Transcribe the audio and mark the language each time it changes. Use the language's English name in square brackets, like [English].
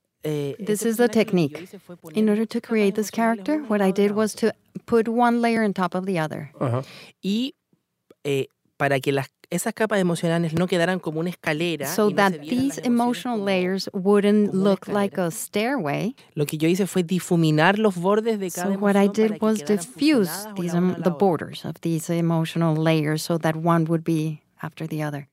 [English] This is the technique. In order to create this character, what I did was to put one layer on top of the other. Uh-huh. [Spanish] Y para que esas capas emocionales no quedaran como una escalera. [English] So that these emotional layers wouldn't look like a stairway. [Spanish] Lo que yo hice fue difuminar los bordes de cada emoción. [English] So what I did was diffuse the borders of these emotional layers so that one would be after the other.